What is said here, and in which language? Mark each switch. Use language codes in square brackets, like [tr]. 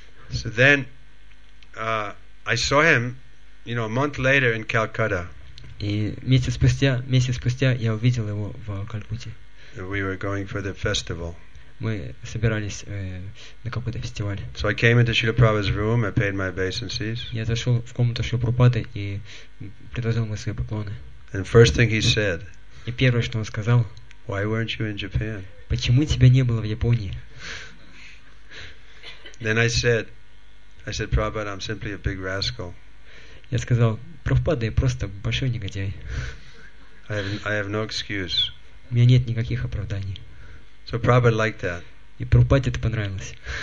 [en] So then, I saw him, you know, a month later in Calcutta. [ru] И месяц спустя я увидел его в Калькутте. [en] We were going for the festival. [ru] Мы собирались на какой-то фестиваль. [en] So I came into Srila Prabhupada's room, I paid my obeisances. [ru] Я зашел в комнату Шрила Прабхупады и предложил ему свои поклоны. [en] And first thing he said. [ru] И первое, что он сказал. [en] Why weren't you in Japan? [ru] Почему тебя не было в Японии? [en] Then I said, Prabhupada, I'm simply a big rascal. [ru] Я сказал, Прабхупада, я просто большой негодяй. [en] I have no excuse. [ru] У меня нет никаких оправданий. [en] So Prabhupada liked that. [ru] И Прабхупаде это понравилось.